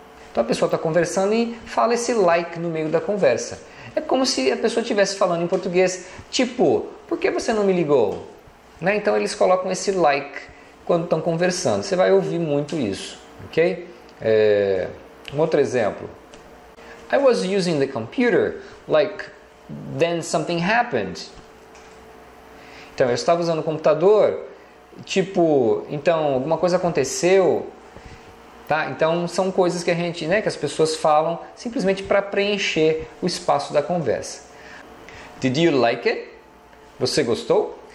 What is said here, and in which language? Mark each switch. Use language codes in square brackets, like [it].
[pt] Então, a pessoa está conversando e fala esse like no meio da conversa. É como se a pessoa estivesse falando em português, tipo, por que você não me ligou? Né? Então, eles colocam esse like quando estão conversando. Você vai ouvir muito isso, ok? Um outro exemplo: [en] I was using the computer, like, then something happened. [pt] Então, eu estava usando o computador, tipo, então, alguma coisa aconteceu, tá? Então, são coisas que a gente, né, que as pessoas falam simplesmente para preencher o espaço da conversa. [en] Did you like it? [pt] Você gostou?